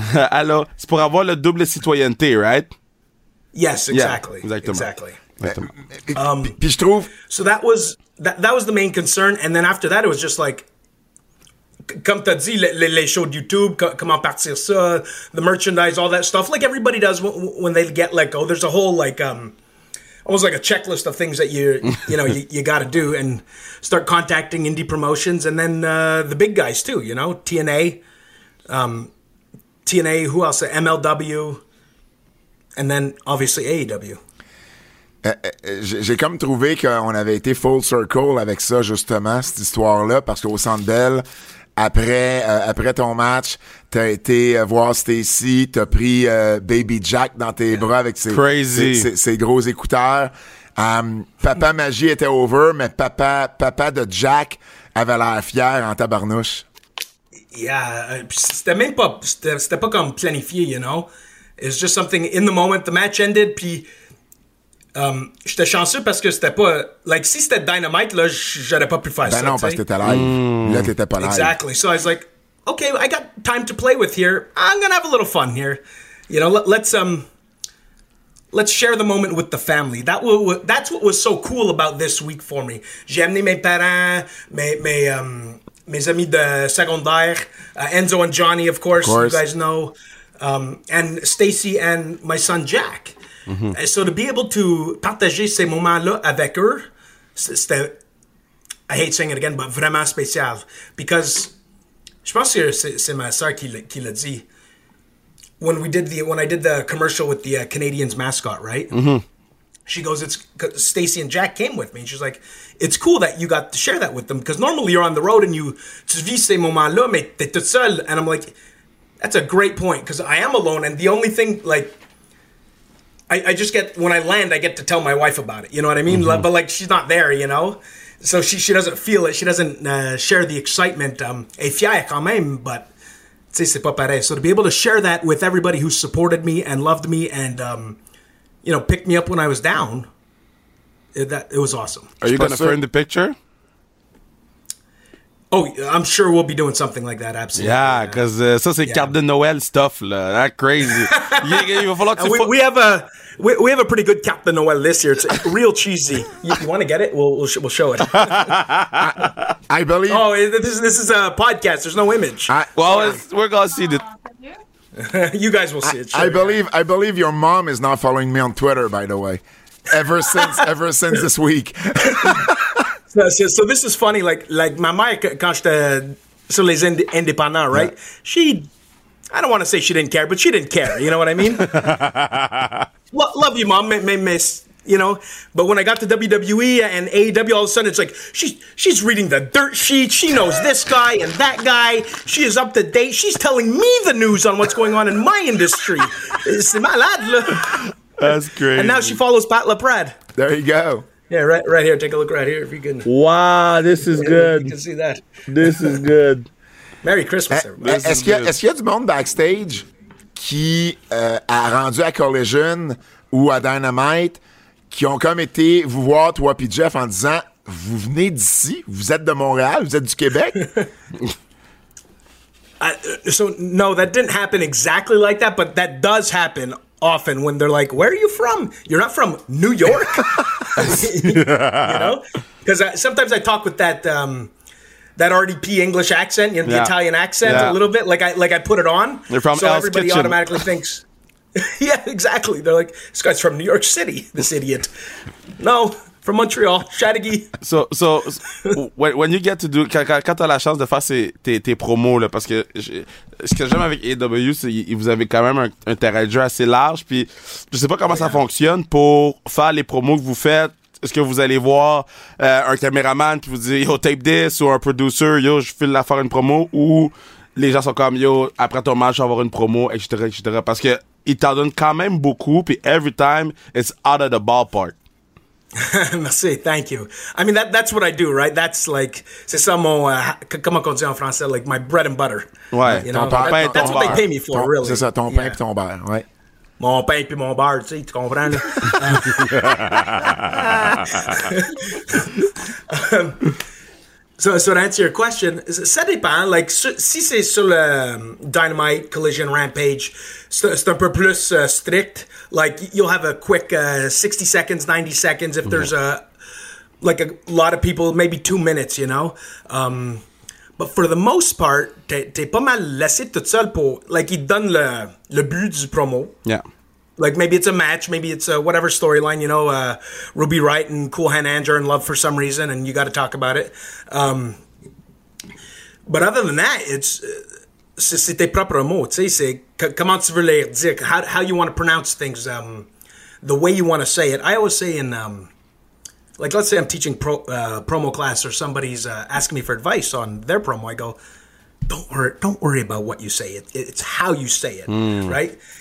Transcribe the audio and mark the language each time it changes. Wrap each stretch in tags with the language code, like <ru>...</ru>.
<fr>Allô, c'est pour avoir la double citoyenneté, right?</fr> <en>Yes, exactly.</en> <fr>Yeah, exactement.</fr> <en>Exactly.</en> <fr>Puis je trouve...</fr> <en>So that was the main concern, and then after that, it was just like,</en> <fr>comme t'as dit, les shows de YouTube, comment partir ça,</fr> <en>the merchandise, all that stuff, like everybody does when they get let go. There's a whole, like, almost like a checklist of things that you got to do and start contacting indie promotions. And then the big guys, too, you know, TNA, who else, MLW, and then obviously AEW.</en> <fr>J'ai comme trouvé qu'on avait été</fr> <en>full circle</en> <fr>avec ça, justement, cette histoire-là, parce qu'au Centre Bell, après ton match, t'as été voir Stacy, t'as pris Baby Jack dans tes bras avec ses gros écouteurs. Papa Magie était over, mais papa de Jack avait l'air fier en tabarnouche. Yeah, c'était même pas, c'était pas comme planifié,</fr> <en>you know?</en> <fr>It's just something, in the moment, the match ended, puis j'étais chanceux parce que c'était pas... Like, si c'était Dynamite, là, j'aurais pas pu faire ben ça, ben non, parce que t'étais live. Là, t'étais pas live.</fr> <en>Exactly. So I was like, okay, I got time to play with here. I'm gonna have a little fun here. You know, let's share the moment with the family. That's what was so cool about this week for me.</en> <fr>J'ai amené mes parents, mes amis de secondaire, Enzo and Johnny,</fr> <en>of course. You guys know, and Stacy and my son Jack. Mm-hmm. So to be able to</en> <fr>partager ces moments-là avec eux, c'était,</fr> <en>I hate saying it again, but</en> <fr>vraiment spécial.</fr> <en>Because,</en> <fr>je pense que c'est ma soeur qui l'a dit,</fr> <en>when we did the when I did the commercial with the Canadians mascot, right? Mm-hmm. She goes, "It's Stacey and Jack came with me." And she's like, "It's cool that you got to share that with them because normally you're on the road and you</en> <fr>vis ces moments là, mais t'es tout seul."</fr> <en>And I'm like, "That's a great point because I am alone and the only thing like." I just get, when I land, I get to tell my wife about it. You know what I mean? Mm-hmm. But like, she's not there, you know? So she doesn't feel it. She doesn't share the excitement.</en> <fr>Et fier quand même, but c'est pas pareil.</fr> <en>So to be able to share that with everybody who supported me and loved me and, you know, picked me up when I was down, it was awesome. Are you going to frame the picture? Oh, I'm sure we'll be doing something like that, absolutely. Yeah, because</en> <fr>ça, c'est carte de Noël</fr> <en>stuff,</en> <fr>là.</fr> <en>That's crazy. We have a pretty good carte de Noël this year. It's real cheesy. You want to get it? We'll show it. I believe. Oh, this is a podcast. There's no image. We're going to see it. You guys will see it. Sure. I believe your mom is not following me on Twitter, by the way, ever since this week. So this is funny, like</en> <fr>ma mère, quand j'étais sur les indépendants,</fr> <en>right? Yeah. She, I don't want to say she didn't care, but she didn't care, you know what I mean? Well, love you, mom, mais, you know? But when I got to WWE and AEW, all of a sudden, it's like, she's reading the dirt sheet, she knows this guy and that guy, she is up to date, she's telling me the news on what's going on in my industry.</en> <fr>C'est malade, là.</fr> <en>That's great. And now she follows Pat LaPrade. There you go. Yeah, right here. Take a look right here if you can. Wow, this is good. You can see that. This is good. Merry Christmas, everybody.</en> <fr>Est-ce qu'il y a du monde backstage qui a rendu à Collision ou à Dynamite qui ont comme été vous voir, toi puis Jeff, en disant « Vous venez d'ici? Vous êtes de Montréal? Vous êtes du Québec?</fr> <en>» So, no, that didn't happen exactly like that, but that does happen often when they're like, where are you from? You're not from New York. You know, because sometimes I talk with that RDP English accent, you know, the Italian accent a little bit, like I put it on. They're from so everybody kitchen. Automatically thinks, yeah, exactly. They're like, this guy's from New York City, this idiot. No, from Montreal, Chattagy. So when you get to do,</en> <fr>quand t'as la chance de faire tes promos, là, parce que ce que j'aime avec AEW, c'est que vous avez quand même un terrain de jeu assez large, puis je sais pas comment ça fonctionne pour faire les promos que vous faites. Est-ce que vous allez voir un caméraman qui vous dit «</fr> <en>Yo, tape this</en> <fr>» ou un producer « Yo, je file la faire une promo » ou les gens sont comme « Yo, après ton match, je vais avoir une promo », etc., etc. Parce que il t'en donne quand même beaucoup, puis</fr> <en>every time, it's out of the ballpark.</en> <fr>Merci,</fr> <en>thank you. I mean, that's what I do, right? That's like,</en> <fr>c'est ça mon, comment on dit en français,</fr> <en>like my bread and butter.</en> <fr>Ouais,</fr> <en>you know? That's what they pay me for, really.</en> <fr>C'est ça, ton pain et ton beurre, ouais. Mon pain puis mon beurre, tu sais, tu comprends?</fr> <en>So to answer your question,</en> <fr>ça dépend. Like, si c'est sur le Dynamite, Collision, Rampage, c'est un peu plus strict.</fr> <en>Like, you'll have a quick 60 seconds, 90 seconds. If there's a lot of people, maybe 2 minutes, you know?</en> <fr>But for the most part, t'es pas mal laissé tout seul pour... Like, ils donnent le but du promo.</fr> <en>Yeah. Like, maybe it's a match, maybe it's a whatever storyline, you know, Ruby Wright and Cool Hand Anger in love for some reason, and you got to talk about it. But other than that,</en> <fr>c'est tes propres mots, tu sais, c'est comment tu veux les dire,</fr> <en>how you want to pronounce things, the way you want to say it. I always say in, like, let's say I'm teaching promo class or somebody's asking me for advice on their promo, I go, don't worry about what you say, it's how you say it, right?</en>